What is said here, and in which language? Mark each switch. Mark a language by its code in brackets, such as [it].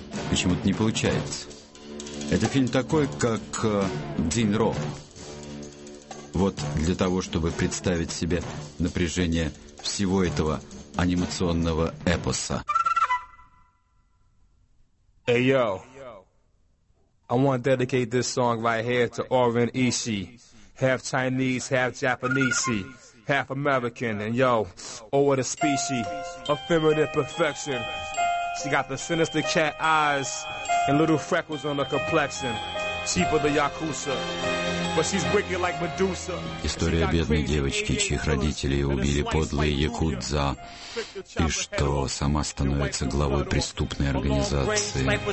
[ru] Почему-то не получается. Это фильм такой, как «Дзинро». Вот для того, чтобы представить себе напряжение всего этого анимационного эпоса. Эй, hey, йоу! [en] I want to dedicate this song right here to Oren Ishii. Half Chinese, half Japanese, half American, and yo, oh what a species of feminine perfection. She got the sinister cat eyes and little freckles on her complexion. Chief of the Yakuza, but she's wicked like Medusa. [ru] История бедной девочки, чьих родителей убили подлые якудза, и что сама становится главой преступной организации.